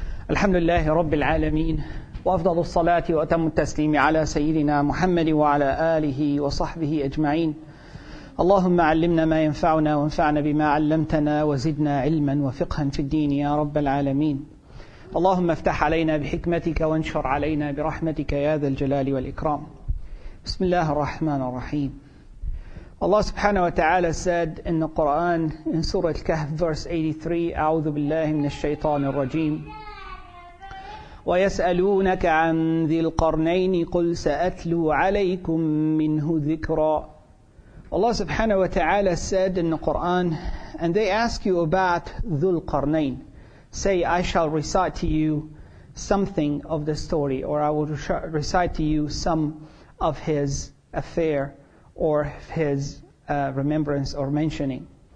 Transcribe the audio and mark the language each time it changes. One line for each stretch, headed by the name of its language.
Arabic: الحمد لله رب العالمين، وأفضل الصلاة وأتم التسليم على سيدنا محمد وعلى آله وصحبه أجمعين. اللهم علمنا ما ينفعنا وانفعنا بما علمتنا وزدنا علما وفقها في الدين يا رب العالمين. اللهم افتح علينا بحكمتك وانشر علينا برحمتك يا ذا الجلال والإكرام. بسم الله الرحمن الرحيم. الله سبحانه وتعالى
English: said in the Quran in Surah Al-Kahf verse 83,
Arabic: أعوذ بالله من الشيطان الرجيم. ويسألونك عن ذي القرنين قل سأتلو عليكم منه ذكرا.
English: Allah subhanahu wa ta'ala said in the Quran, and they ask you about Dhul Qarnayn. Say, I shall recite to you something of the story, or I will recite to you some of his affair or his remembrance or mentioning.